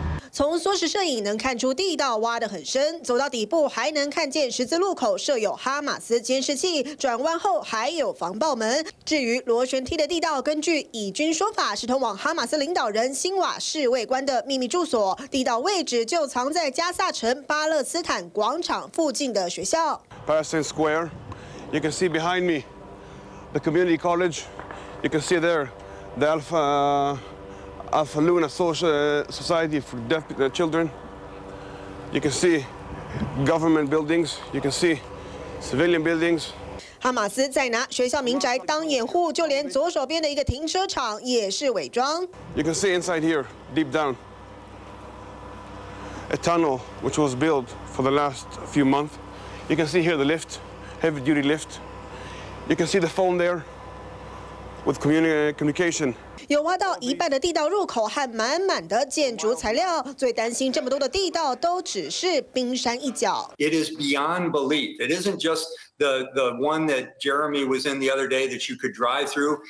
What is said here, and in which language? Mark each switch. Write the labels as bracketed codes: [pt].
[zh] 从缩时摄影能看出地道挖得很深，走到底部还能看见十字路口设有哈马斯监视器，转弯后还有防爆门。至于螺旋梯的地道，根据以军说法是通往哈马斯领导人辛瓦侍卫官的秘密住所，地道位置就藏在加萨城巴勒斯坦广场附近的学校。 [en] Palestine Square, you can see behind me the community college. You can see there the Alpha. Alpha Luna Society for Deaf Children. You can see government buildings. You can see civilian buildings. [zh] 哈马斯在拿学校民宅当掩护，就连左手边的一个停车场也是伪装。 [en] You can see inside here, deep down, a tunnel which was built for the last few months. You can see here the lift, heavy-duty lift. You can see the phone there with communication. [zh] 有挖到一半的地道入口和满满的建筑材料，最担心这么多的地道都只是冰山一角。 [en] It is beyond belief. It isn't just the one that Jeremy was in the other day that you could drive through.